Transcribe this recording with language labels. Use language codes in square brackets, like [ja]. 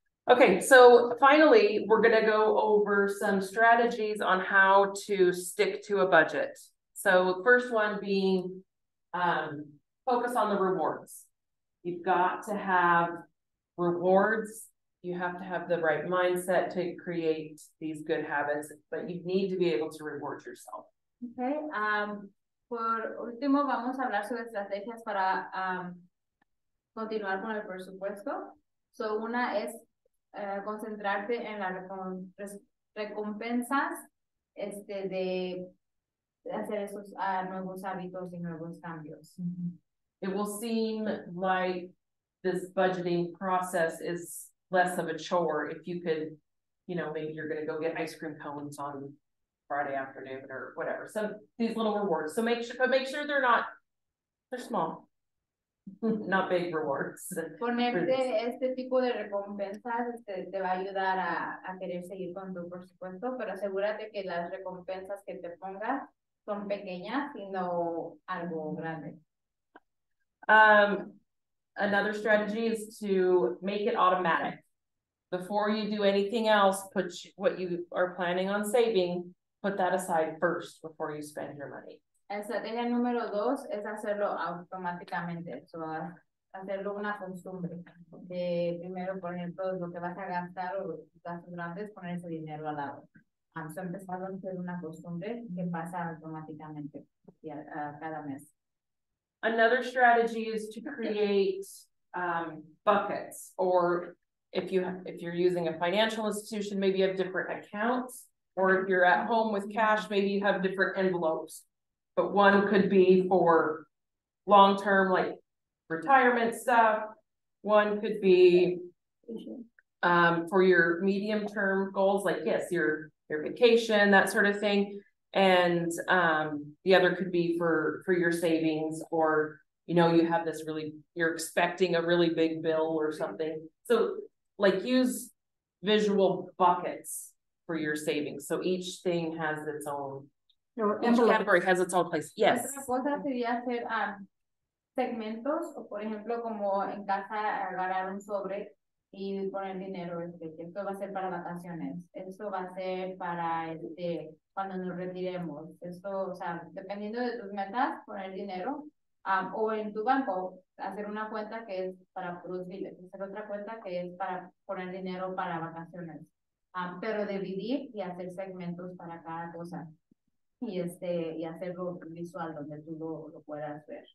[en] Okay, so finally, we're going to go over some strategies on how to stick to a budget. So first one being, focus on the rewards. You've got to have rewards. You have to have the right mindset to create these good habits, but you need to be able to reward yourself. Okay. [es] Por último, vamos a hablar sobre estrategias para continuar con el presupuesto. So una es concentrarte en las recompensas de hacer esos nuevos hábitos y nuevos cambios. [en] It will seem like this budgeting process is less of a chore if you could, you know, maybe you're going to go get ice cream cones on Friday afternoon or whatever. So these little rewards. So make sure they're small, not big rewards. [es] Ponerte este tipo de recompensas te va a ayudar a querer seguir con tu presupuesto, pero asegúrate que las recompensas que te pongas son pequeñas, sino algo grande. [en] Another strategy is to make it automatic. Before you do anything else, put what you are planning on saving, put that aside first before you spend your money. [es] Estrategia número dos es hacerlo automáticamente. So, hacerlo una costumbre. De primero, por ejemplo, lo que vas a gastar o gastos grandes, poner ese dinero al lado. So empezando a ser una costumbre que pasa automáticamente cada mes. [en] Another strategy is to create buckets, or if you're using a financial institution, maybe you have different accounts, or if you're at home with cash, maybe you have different envelopes. But one could be for long term, like retirement stuff. One could be for your medium term goals, like yes, your vacation, that sort of thing. And the other could be for your savings, or you know, you have this really, you're expecting a really big bill or something. So like use visual buckets for your savings. So each thing has its own, each category has its own place. Yes. [es] Otra cosa sería hacer segmentos, o por ejemplo, como en casa agarrar un sobre y poner dinero, esto va a ser para vacaciones, esto va a ser para cuando nos retiremos, esto, o sea, dependiendo de tus metas, poner dinero, o en tu banco, hacer una cuenta que es para puros billetes, hacer otra cuenta que es para poner dinero para vacaciones, pero dividir y hacer segmentos para cada cosa, y hacerlo visual donde tú lo puedas ver.